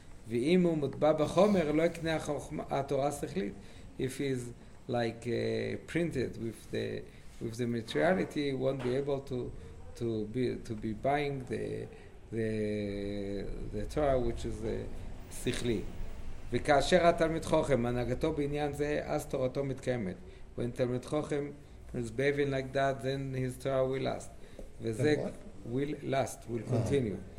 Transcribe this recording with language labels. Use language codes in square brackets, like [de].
[he] V'im u'mutba b'chomer lo ekneh ha'torah sechlit. [en] If he's like printed with the materiality, he won't be able to be buying the Torah, which is sechli. [he] וכאשר התלמיד חוכם, הנהגתו בעניין זה, אז תורתו מתקיימת. [en] When תלמיד חוכם is behaving like that, then his Torah will last. [he] וזה [en] will last, will continue.